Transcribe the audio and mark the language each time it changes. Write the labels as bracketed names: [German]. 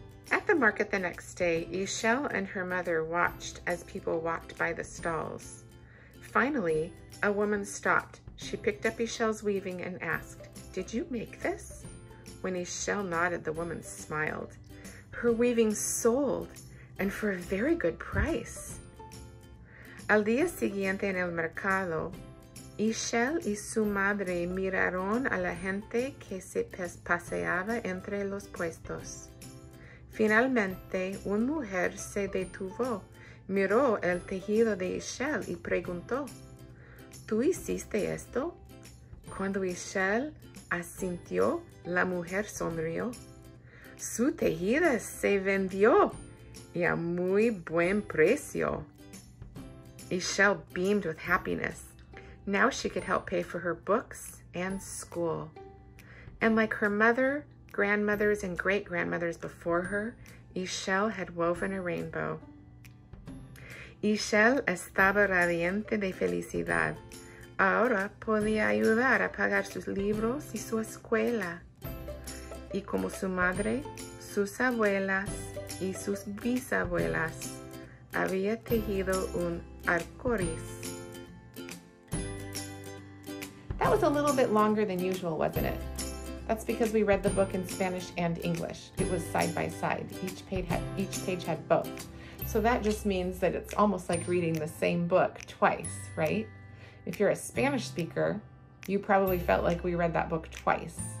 [English] At the market the next day, Ishel and her mother watched as people walked by the stalls. Finally, a woman stopped. She picked up Ishel's weaving and asked, "Did you make this?" When Ishel nodded, the woman smiled. Her weaving sold, and for a very good price. [Spanish] Al día siguiente en el mercado, Ishel y su madre miraron a la gente que se paseaba entre los puestos. Finalmente, una mujer se detuvo, miró el tejido de Ishel y preguntó, ¿tú hiciste esto? Cuando Ishel asintió, la mujer sonrió. Su tejido se vendió y a muy buen precio. [English] Ishel beamed with happiness. Now she could help pay for her books and school. And like her mother, grandmothers, and great-grandmothers before her, Ishel had woven a rainbow. [Spanish] Ishel estaba radiante de felicidad. Ahora podía ayudar a pagar sus libros y su escuela. Y como su madre, sus abuelas y sus bisabuelas, había tejido un arcoiris. [English] That was a little bit longer than usual, wasn't it? That's because we read the book in Spanish and English. It was side by side. Each page had both. So that just means that it's almost like reading the same book twice, right? If you're a Spanish speaker, you probably felt like we read that book twice.